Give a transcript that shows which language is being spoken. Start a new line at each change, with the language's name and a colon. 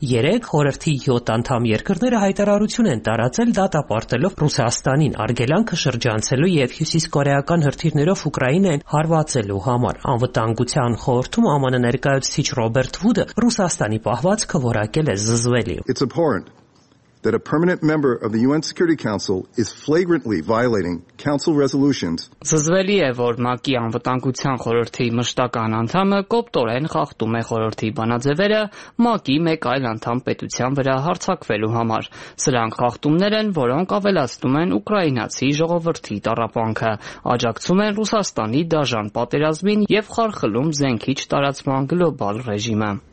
Armenian: 3 խորհրդի 7 անդամ երկրները հայտարարություն են տարածել, դատապարտելով Ռուսաստանին արգելանքը շրջանցելու և հյուսիսկորեական հրթիռներով Ուկրաինային հարվածելու համար։ Անվտանգության խորհրդում ԱՄՆ ներկայացուցիչ Ռոբերտ Վուդը Ռուսաստանի պահվածքը որակել է զզվելի։
English: That a permanent member of the UN Security Council is flagrantly violating Council resolutions.
Armenian: Զզվելի է, որ ՄԱԿ-ի անվտանգության խորհրդի մշտական անդամը կոպտորեն խախտում է խորհրդի բանաձևերը ՄԱԿ-ի մեկ այլ անդամ պետության վրա հարձակվելու համար։ Սրանք խախտումներ են, որոնք ավելացնում են Ուկրաինացի ժողովրդի տառապանքը, աջակցում են Ռուսաստանի դաժան պատերազմին և խարխլում զենքիչ տարածման գլոբալ ռեժիմը։